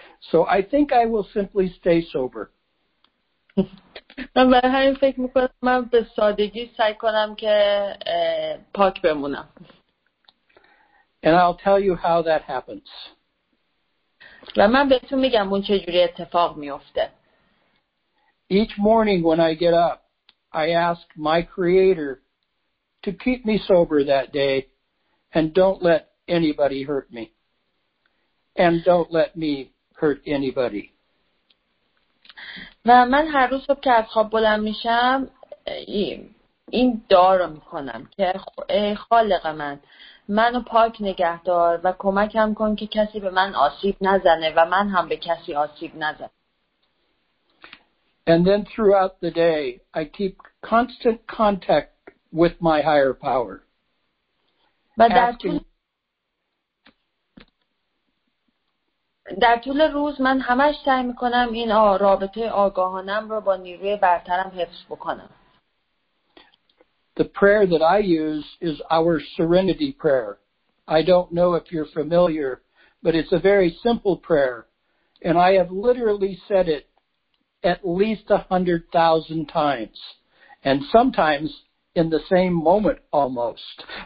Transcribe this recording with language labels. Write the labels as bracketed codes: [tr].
[en] So I think I will simply stay sober. [fa] من برای همین فکر میکنم من به سادگی سعی کنم که پاک بمونم. [en] And I'll tell you how that happens. [fa] و من بهتون میگم اون چجوری اتفاق میفته. [en] Each morning when I get up, I ask my creator to keep me sober that day and don't let anybody hurt me. And don't let me hurt anybody. [fa] و من هر روز صبح که از خواب بلند میشم این دعا رو میکنم که ای خالق من منو پاک نگه دار و کمکم کن که کسی به من آسیب نزنه و من هم به کسی آسیب نزنم. [en] And then throughout the day, I keep constant contact with my higher power. [fa] در طول روز من همش سعی میکنم این رابطه آگاهانم رو با نیروی برترم حفظ بکنم. [en] The prayer that I use is our serenity prayer. I don't know if you're familiar, but it's a very simple prayer. And I have literally said it at least 100,000 times, and sometimes in the same moment almost.